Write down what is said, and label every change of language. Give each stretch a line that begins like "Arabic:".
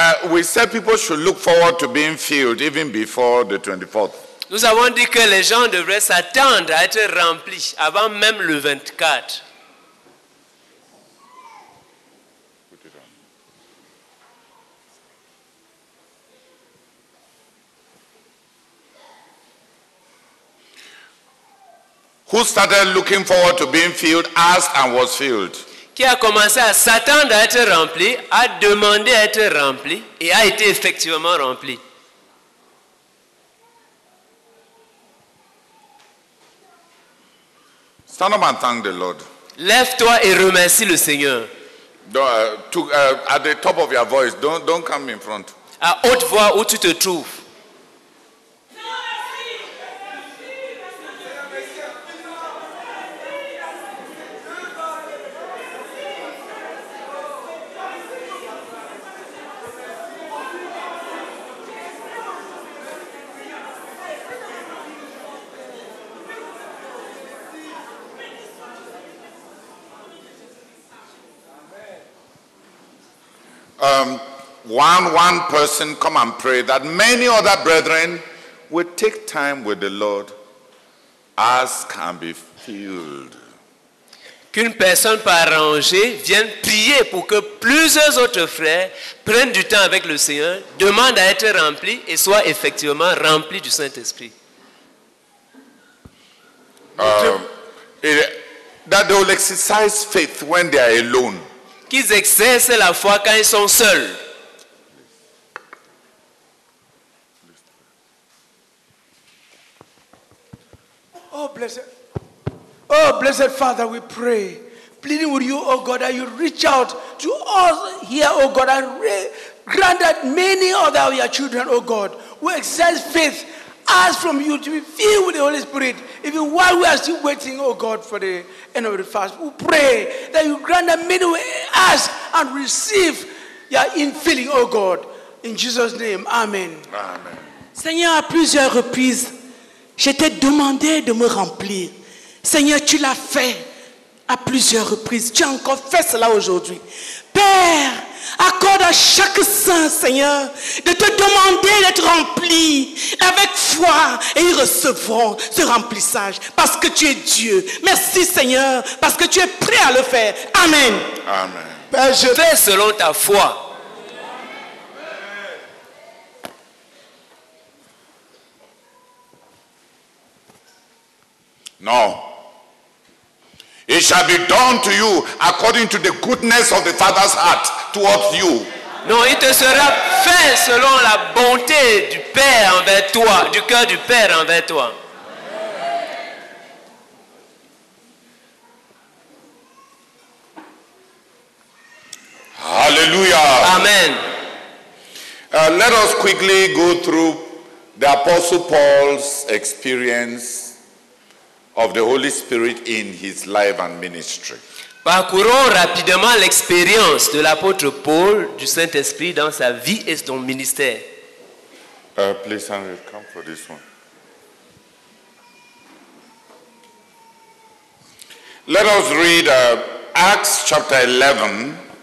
English: We said people should look forward to being filled even before the 24th.
French: Nous avons dit que les gens devraient s'attendre à être remplis avant même le 24.
English: Who started looking forward to being filled, asked and was filled?
French: Qui a commencé à s'attendre à être rempli, a demandé à être rempli et a été effectivement rempli.
English: Stand up and thank the Lord.
French: Lève-toi et remercie le Seigneur.
English: At the top of your voice, don't come in front.
French: À haute voix où tu te trouves.
English: One person come and pray that many other brethren will take time with the Lord, ask and be filled.
French: Qu'une personne par rangée vienne prier pour que plusieurs autres frères prennent du temps avec le Seigneur, demandent à être remplis et soient effectivement remplis du Saint-Esprit.
English: That they will exercise faith when they are alone.
French: Qu'ils exercent la foi quand ils sont seuls.
English: Oh, blessed Father, we pray, pleading with you, oh God, that you reach out to us here, oh God, and grant that many other of your children, oh God, who exercise faith, ask from you to be filled with the Holy Spirit, even while we are still waiting, oh God, for the end of the fast. We pray that you grant that many will ask and receive your infilling, oh God, in Jesus' name, amen. Amen.
French: Seigneur, à plusieurs reprises, je t'ai demandé de me remplir. Seigneur, tu l'as fait à plusieurs reprises. Tu as encore fait cela aujourd'hui. Père, accorde à chaque saint, Seigneur, de te demander d'être rempli avec foi et ils recevront ce remplissage parce que tu es Dieu. Merci, Seigneur, parce que tu es prêt à le faire. Amen. Amen. Père, je fais selon ta foi.
English: No. It shall be done to you according to the goodness of the Father's heart towards you.
French: Non, il te sera fait selon la bonté du Père envers toi, du cœur du Père envers toi. Hallelujah. Amen.
English: Let us quickly go through the Apostle Paul's experience of the Holy Spirit in his life and ministry.
French: Parcourons rapidement l'expérience de l'apôtre Paul du Saint-Esprit dans sa vie et son ministère.
English: Please, Henry, come for this one. Let us read Acts chapter 11.